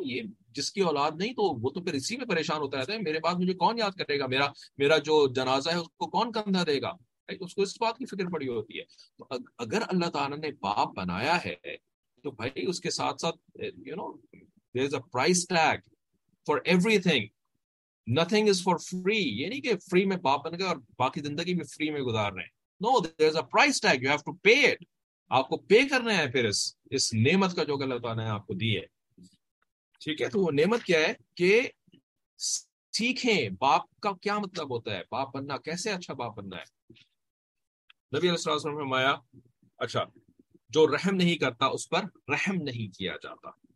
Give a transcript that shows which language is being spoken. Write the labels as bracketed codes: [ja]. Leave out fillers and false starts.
[ur] یہ جس کی اولاد نہیں تو وہ تو پھر اسی میں پریشان ہوتا رہتا ہے, میرے بعد مجھے کون یاد کرے گا, میرا جو جنازہ ہے اس کو کون کندھا دے گا, اس کو اس بات کی فکر پڑی ہوتی ہے. تو اگر اللہ تعالیٰ نے باپ بنایا ہے تو بھائی اس کے ساتھ ساتھ [en] there is a price tag for everything, nothing is for free. [ur] یعنی کہ free میں باپ بن گئے اور باقی زندگی بھی free میں گزار رہے ہیں. [en] No, there is a price tag, you have to pay it. [ur] آپ کو پے کرنا ہے پھر اس نعمت کا جو اللہ تعالیٰ نے آپ کو دی ہے, ٹھیک ہے. تو وہ نعمت کیا ہے کہ سیکھیں باپ کا کیا مطلب ہوتا ہے, باپ بننا کیسے اچھا باپ بننا ہے. نبی علیہ السلام نے فرمایا, اچھا جو رحم نہیں کرتا اس پر رحم نہیں کیا جاتا.